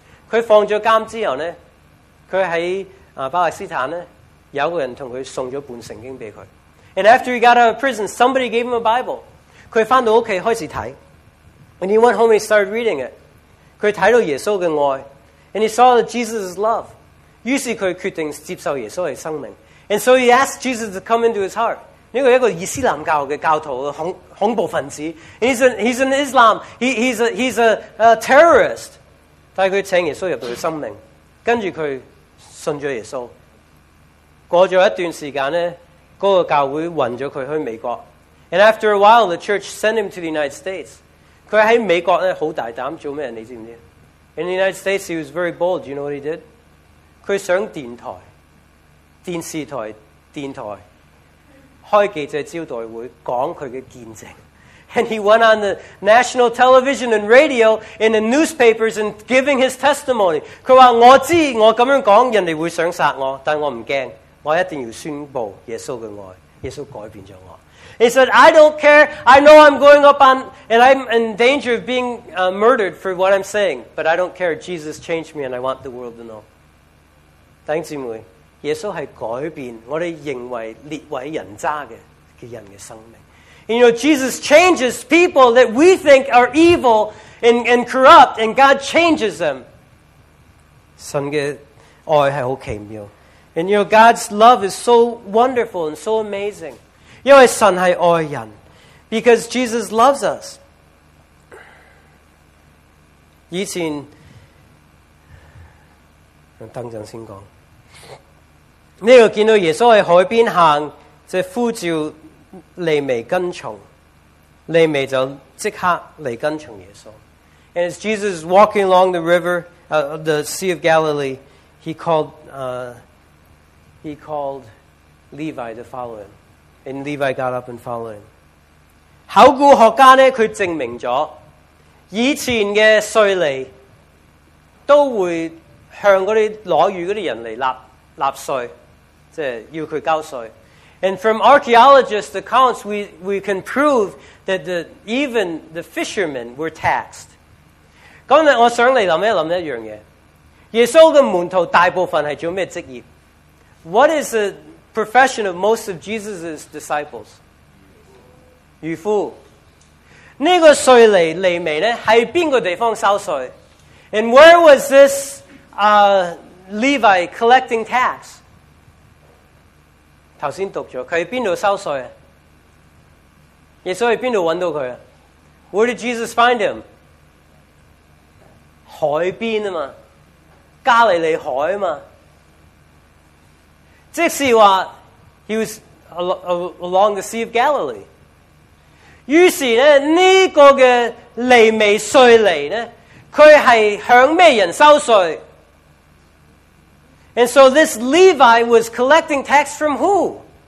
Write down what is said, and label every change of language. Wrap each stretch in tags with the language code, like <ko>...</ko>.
<zh>佢放咗监之后咧，佢喺巴勒斯坦咧，有个人同佢送咗本圣经俾佢。</zh> <en>And after he got out of prison, somebody gave him a Bible.</en> <zh>佢翻到屋企开始睇</zh> <en>，and he went home and started reading it.</en> <zh>佢睇到耶稣嘅爱</zh> <en>，and he saw Jesus' love.</en> <zh>于是佢决定接受耶稣嘅生命。</zh> <en>And so he asked Jesus to come into his heart.</en> <zh>呢个一个伊斯兰教嘅教徒，恐怖分子。</zh> <en>He's an Islam. He's a terrorist.</en> <zh>但系佢请耶稣入到佢生命，跟住佢信咗耶稣。过咗一段时间咧，嗰个教会运咗佢去美国。</zh> <en>And after a while, the church sent him to the United States.</en> <zh>佢喺美国咧好大胆做咩？你知唔知</zh> <en>？In the United States, he was very bold. You know what he did?</en> <zh>佢上电台、电视台、电台。开记者招待会讲佢嘅见证</zh> <en>，and he went on the national television and radio in the newspapers and giving his testimony。</en> <zh>佢话我知我咁样讲，人哋会想杀我，但我唔惊，我一定要宣布耶稣嘅爱，耶稣改变咗我。</zh> <en>He said, "I don't care. I know I'm going up on, and I'm in danger of being murdered for what I'm saying, but I don't care. Jesus changed me, and I want the world to know."</en> <zh>弟兄姊妹。耶稣是改变我们认为列为人渣的人的生命。</zh> <en>You know, Jesus changes people that we think are evil and corrupt, and God changes them.</en> <zh>神的爱是很奇妙。</zh> <en>And you know, God's love is so wonderful and so amazing.</en> <zh>因为神是爱人。</zh> <en>Because Jesus loves us.</en> <zh>以前，等阵先讲。这个见到耶稣在海边行，就呼召利未跟从，利未就即刻来跟从耶稣。</zh> <en>And as Jesus is walking along the river, the Sea of Galilee, he called Levi to follow him. And Levi got up and followed him.</en> <zh>考古学家呢，他证明了，以前的税吏都会向那些裸鱼的人来纳税。要他交税。</zh> <en>And from archaeologist accounts, we can prove that even the fishermen were taxed.</en> <zh>今天我想你想一想一件事。耶稣的门徒大部分是做什么职业？</zh> <en>What is the profession of most of Jesus' disciples?</en> <zh>渔夫。这个税吏利未呢，是哪个地方收税？</zh> <en>And where was this Levi collecting tax?</en> <zh>刚才读了，他在哪里收税？耶稣在哪里找到他？</zh> <en>Where did Jesus find him?</en> <zh>海边嘛，加利利海嘛。即是说</zh> <en>He was along the Sea of Galilee.</en> <zh>于是呢，这个的利未税吏呢，他是向什么人收税？</zh> <en>And so this Levi was collecting tax from who?</en>